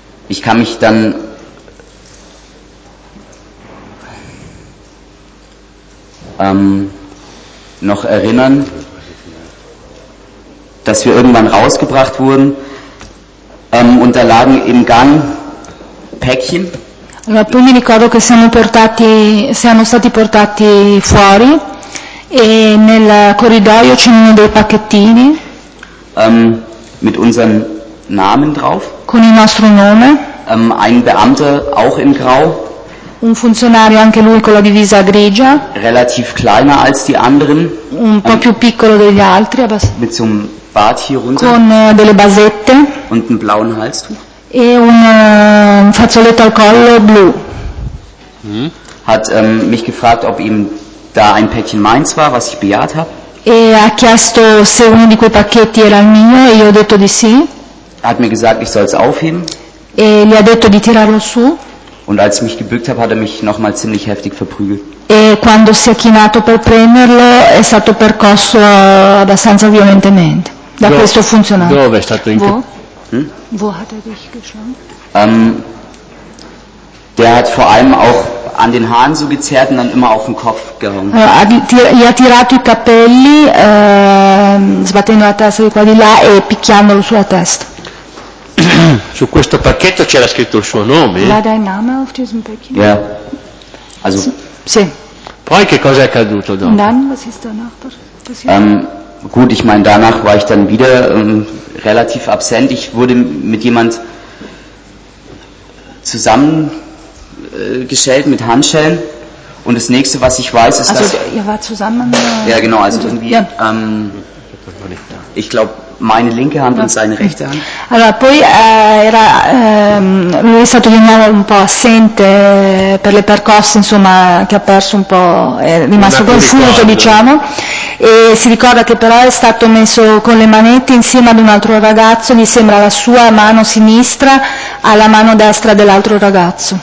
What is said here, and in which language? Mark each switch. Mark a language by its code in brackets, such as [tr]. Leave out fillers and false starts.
[de] Ich kann mich dann noch erinnern, dass wir irgendwann rausgebracht wurden und da lagen im Gang Päckchen. [it] Allora, poi mi ricordo che siamo stati portati fuori e nel corridoio c'erano dei pacchettini [de] mit unseren Namen drauf. [it] Con il nostro nome. [de] Ein Beamter auch in grau. [it] Un funzionario anche lui con la divisa grigia. [de] Relativ kleiner als die anderen. [it] Un po' più piccolo degli altri, [de] mit so einem Bart hier runter. [it] Con delle basette. [de] Und einem blauen Halstuch. [it] E un fazzoletto al collo blu. [de] Hat mich gefragt, ob eben da ein Päckchen meins war, was ich bejaht habe. [it] E ha chiesto se uno di quei pacchetti era il mio e io ho detto di sì. [de] Hat mir gesagt, ich soll's aufheben. [it] E gli ha detto di tirarlo su. [de] Und als ich mich gebückt habe, hat mich nochmal ziemlich heftig verprügelt. [it] E quando si è chinato per prenderlo, è stato percosso abbastanza violentemente da questo funzionario. Dove è stato in? [de] Wo hat er dich geschlagen? Der hat vor allem auch an den Haaren so gezerrt und dann immer auf den Kopf gehauen. [it] Gli ha tirato i capelli, sbattendo la testa di qua di là e picchiandolo sulla testa. Su questo pacchetto c'era scritto il suo nome. [de] War dein Name auf diesem Päckchen? Ja. Also. [it] Sì. Poi che cosa è accaduto dopo? [de] Und dann, was ist danach passiert? Gut, ich meine, danach war ich dann wieder relativ absent. Ich wurde mit jemand zusammengeschellt mit Handschellen. Und das nächste, was ich weiß, ist, also, dass... Also, ihr wart zusammen... Ja, genau, also irgendwie... Ja. Ich glaube, meine linke Hand und seine rechte Hand. [it] Allora, poi era... lui è stato di nuovo un po' assente per le percosse, insomma, che ha perso un po'... È rimasto confuso, diciamo... E si ricorda che però è stato messo con le manette insieme ad un altro ragazzo, gli sembra la sua mano sinistra alla mano destra dell'altro ragazzo.